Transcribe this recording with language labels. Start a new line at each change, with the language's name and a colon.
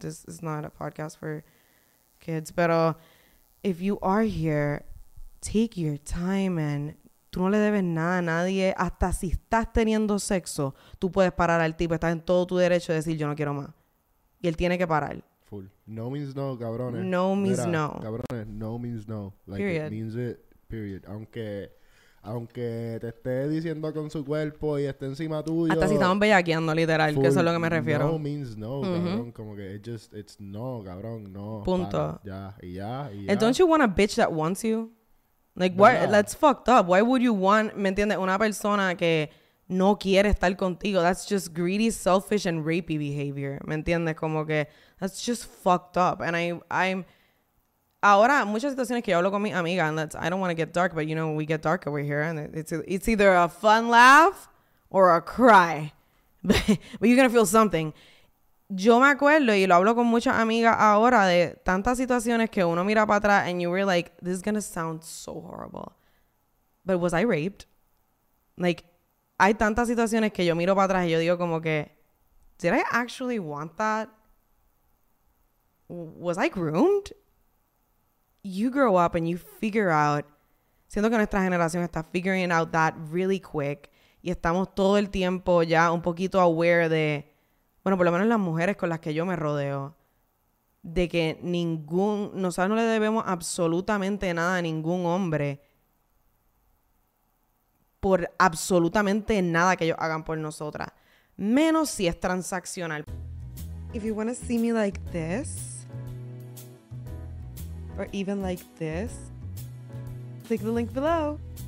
English: This is not a podcast for kids. Pero if you are here, take your time, man.
Spanish: Tú no le debes nada a nadie. Hasta si estás teniendo sexo, tú puedes parar al tipo. Estás en todo tu derecho de decir, yo no quiero más. Y él tiene que parar.
English: Full. No means no, cabrones. No means no. Cabrones, no means no. Like, period. It means it, period.
Spanish: Aunque te esté diciendo con su cuerpo y esté encima tuyo. Hasta si estaban bellaqueando, literal, que eso es lo que me refiero.
English: No means no, cabrón. Mm-hmm.
Spanish: Como que
English: it just, it's no, cabrón, no.
Spanish: Punto. Para, ya, y ya, y ya.
English: And don't you want a bitch that wants you? Like, why, yeah. That's fucked up. Why would you want,
Spanish: ¿me entiendes? Una persona que no quiere estar contigo.
English: That's just greedy, selfish, and rapey behavior.
Spanish: ¿Me entiendes? Como que
English: that's just fucked up. And I'm...
Spanish: Ahora, muchas situaciones que yo hablo con mi amiga,
English: and that's, I don't want to get dark, but you know, we get dark over here, and it's either a fun laugh or a cry. But you're going to feel something.
Spanish: Yo me acuerdo, y lo hablo con muchas amigas ahora, de tantas situaciones que uno mira para atrás,
English: and you were like, this is going to sound so horrible. But was I raped?
Spanish: Like, hay tantas situaciones que yo miro para atrás y yo digo como que,
English: did I actually want that? Was I groomed? You grow up and you figure out.
Spanish: Siento que nuestra generación está
English: figuring out that really quick.
Spanish: Y estamos todo el tiempo ya un poquito aware de, bueno, por lo menos las mujeres con las que yo me rodeo, de que ningún, nosotros no le debemos absolutamente nada a ningún hombre por absolutamente nada que ellos hagan por nosotras. Menos si es transaccional.
English: If you want to see me like this, or even like this, click the link below.